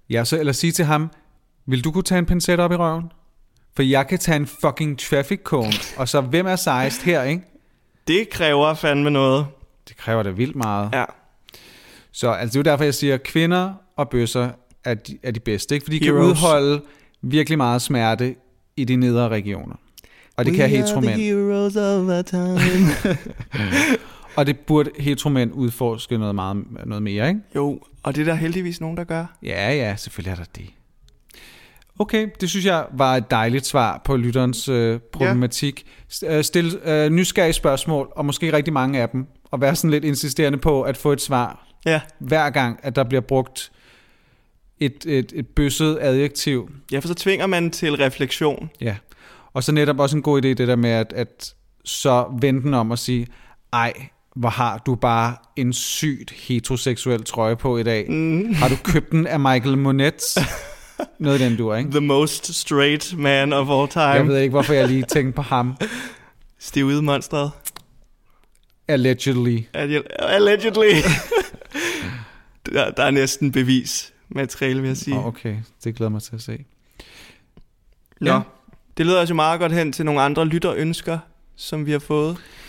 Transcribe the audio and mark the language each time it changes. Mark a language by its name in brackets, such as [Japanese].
[Danish] Ja, så eller sige til ham, vil du kunne tage en pincet op i røven? For jeg kan tage en [English] fucking traffic cone. [Danish] Og så, hvem er sejst her, ikke? Det kræver fandme noget. Det kræver da vildt meget. Ja. Så altså, det er jo derfor, jeg siger, kvinder og bøsser er de bedste, ikke? Fordi de kan udholde virkelig meget smerte i de nedre regioner. Og det [English] We [Danish] kan heteromænd. [English] We are the heroes of our time. Mm. [Danish] Og det burde heteromænd udforske noget, meget, noget mere, ikke? Jo, og det er der heldigvis nogen, der gør. Ja, selvfølgelig er der det. Okay, det synes jeg var et dejligt svar på lytterens problematik. Ja. Stil nysgerrige spørgsmål, og måske rigtig mange af dem, og være sådan lidt insisterende på at få et svar ja. Hver gang, at der bliver brugt et bøsset adjektiv. Ja, for så tvinger man til refleksion. Ja, og så netop også en god idé, det der med at så vende den om og sige, ej, hvor har du bare en sygt heteroseksuel trøje på i dag. Mm. Har du købt den af Michael Monet? Noget i den dur, ikke? [English] The most straight man of all time. [Danish] Jeg ved ikke, hvorfor jeg lige tænkte på ham. Steve Ude monstret. [English] Allegedly. [Danish] Allegedly. Der er næsten bevis. Materiale, vil jeg sige. Oh, okay, det glæder mig til at se. Nå, ja. Det leder os jo meget godt hen til nogle andre lytterønsker, som vi har fået.